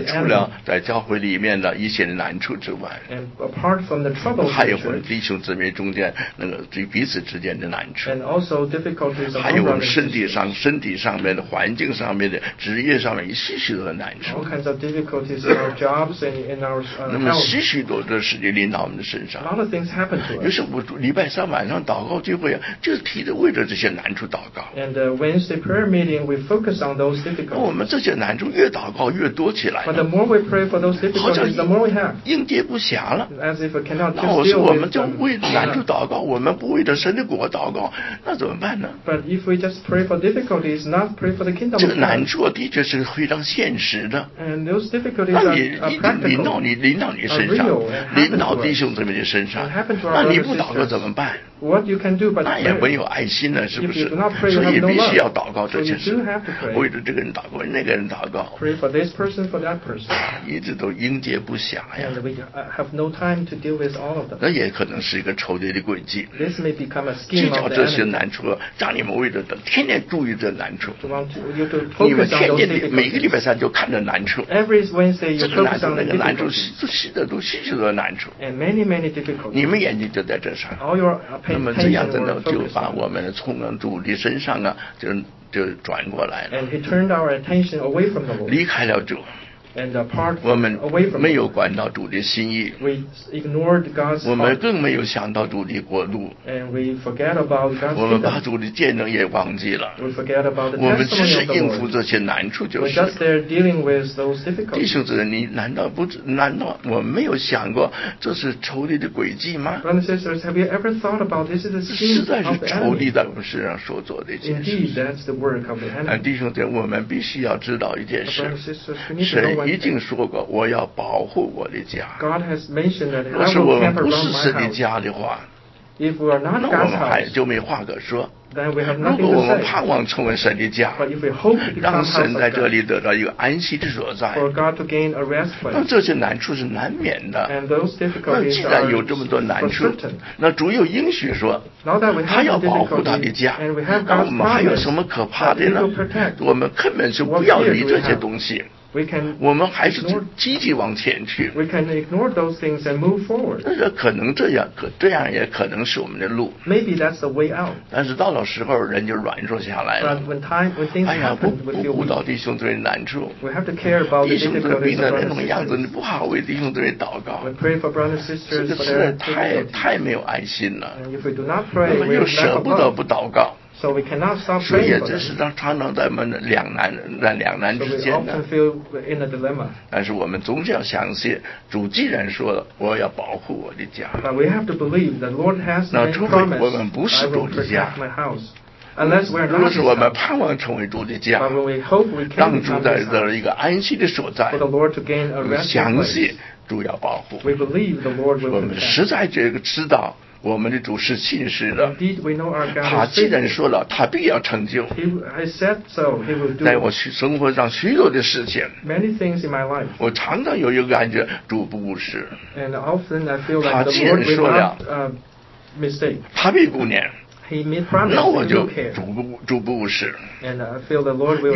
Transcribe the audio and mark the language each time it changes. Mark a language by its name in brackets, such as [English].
[Chinese] 那么除了在教会里面的一些的难处之外 [English] ，and apart from the troubles, [Chinese] 还有我们弟兄姊妹中间那个彼此之间的难处 [English] ，and also difficulties. [Chinese] 还有我们身体上面的环境上面的职业上面一些许多的难处 [English] ，all kinds of difficulties in our jobs and in our health. [Chinese] 那么许许多的事情临到我们的身上 [English] ，a lot of things happen to us. [Chinese] 于是我礼拜三晚上祷告聚会啊，就是提着为着这些难处祷告 [English] ，and Wednesday. Prayer meeting, we focus on those difficulties. [Chinese] 我们这些难处越祷告越多起来。 [English] But the more we pray for those difficulties, the more we have. [Chinese] 应接不暇了。 [English] As if we cannot just with them. [Chinese] 那我们就为难处祷告，我们不为着神的国祷告，那怎么办呢 [English] ？But if we just pray for difficulties, not pray for the kingdom. [Chinese] 这个难处的确是非常现实的。 [English] And those difficulties are practical. [Chinese] 临到你，临到你身上，临到弟兄姊妹的身上，那你不祷告怎么办？ [English] What you can do, but [Chinese] 那也没有爱心了，是不是？ [English] Pray, [Chinese] 所以必须要祷告这些事。 [English] So、 [Chinese] 为着这个人祷告，那个人祷告。 [English] Pray for this person, for that person. [Chinese] 一直都应接不暇呀。 [English] And we have no time to deal with all of them. [Chinese] 那也可能是一个仇敌的诡计。 [English] This may become a scheme of the enemy. [Chinese] 计较这些难处，让你们为着天天注意这难处。 [English] To, [Chinese] 你们天天每个礼拜三就看着难处。 [English] Every Wednesday you focus on the difficulties. [Chinese] 那个难处，细的都细细的难处。 [English] And many many difficulties. [Chinese] 你们眼睛就在这上。 [English] All your [Chinese] 那么这样真的就把我们从主的身上啊，就转过来了。 [English] And he turned our attention away from the Lord. [Chinese] 离开了主。 [English] And apart, [Chinese] 我们没有管到主的心意。 [English] We ignored God's. [Chinese] 我们更没有想到主的国度。 [English] And we forget about God's kingdom. [Chinese] 我们把主的见证也忘记了。 [English] We forget about the testimony of the Lord. [Chinese] 我们只是应付这些难处就是。 [English] We're just there dealing with those difficulties. [Chinese] 弟兄姊妹，你难道不？难道我们没有想过这是仇敌的诡计吗 [English] ？Brothers and sisters, have you ever thought about this is the scheme of the enemy? [Chinese] 实在是仇敌在我们身上所做的一件事。 [English] Indeed, that's the work of the enemy. [Chinese] 但弟兄姊妹，我们必须要知道一件事。神已经说过，我要保护我的家。 [English] God has mentioned that I will camp around my house. [Chinese] 若是我们不是神的家的话 [English] ，If we are not God's house, [Chinese] 那我们还就没话可说。 [English] Then we have nothing to say. [Chinese] 如果我们盼望成为神的家 [English] ，But if we hope to become house of God, [Chinese] 让神在这里得到一个安息的所在 [English] ，For God to gain a rest place. [Chinese] 那这些难处是难免的。 [English] And those difficulties are certain. [Chinese] 那既然有这么多难处，那主有应许说，他要保护他的家。 [English] And we have God's promise. [Chinese] 那我们还有什么可怕的呢？ [English] Protect, [Chinese] 我们根本是不要理这些东西。 [English] We can [Chinese] 我们还是积极往前去。 [English] We can ignore those things and move forward. [Chinese] 但是可能这样，这样也可能是我们的路。 [English] Maybe that's the way out. [Chinese] 但是到了时候，人就软弱下来了。 [English] But when time, when things happen, [Chinese] 哎呀，不顾到弟兄姊妹难处。 [English] We have to care about the difficulties of brothers and sisters. [Chinese] 弟兄姊妹那种样子，你不好为弟兄姊妹祷告。 [English] We pray for brothers and sisters. [Chinese] 这个实在太没有爱心了。 [English] And if we do not pray, we [Chinese] 又舍不得不祷告。 [English] So we cannot stop praying. [Chinese] 所以这是常常在我们两难之间的。 [English] So we often feel in a dilemma. [Chinese] 但是我们总是要相信，主既然说了，我要保护我的家。 [English] But we have to believe the Lord has made promise. [Chinese] 那除非我们不是主的家。 [English] Unless we're not his house. [Chinese] 若是我们盼望成为主的家。 [English] But we hope we can. [Chinese] 让主在这儿一个安息的所在。 [English] For the Lord to gain a rest place. [Chinese] 相信主要保护。 [English] We believe the Lord will protect. [Chinese] 我们实在这个知道。我们的主是信实的。 [English] Indeed, we know our God. [Chinese] 他既然说了，他必要成就。 [English] He said so. He will do. [Chinese] 在我生活上许多的事情。 [English] Many things in my life. [Chinese] 我常常有一个感觉，主不误事。 [English] And often I feel like the Lord will not mistake. [Chinese] 他必顾念。 [English] He made promise. [Chinese] 那我就主不误事。 [English] And I feel the Lord will not mistake.